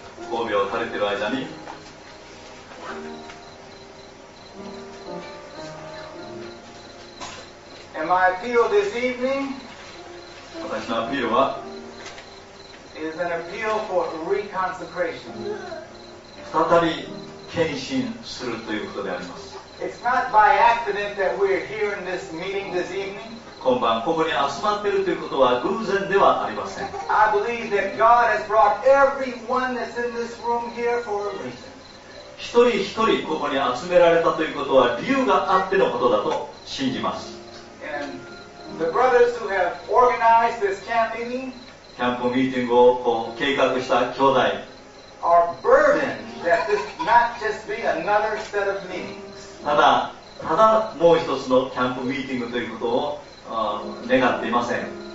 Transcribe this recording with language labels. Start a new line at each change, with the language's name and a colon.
Japanese: 神戸を垂れてる間に
English: And my appeal this evening
Japanese: 私のアピールは
English: is an appeal for reconsecration.
Japanese: 再び献身するということであります。
English: It's not by accident that we're here in this meeting this evening.
Japanese: 今晩ここに集まっているということは偶然ではありません。
English: I believe that God has brought everyone that's in this room here for a reason.
Japanese: 一人一人ここに集められたということは理由があってのことだと信じます。
English: And the brothers who have organized this camp meeting,
Japanese: キャンプミーティングをこう計画した兄弟、
English: are burdened that this not just be another set of meetings.
Japanese: ただもう一つのキャンプミーティングということを願っていません。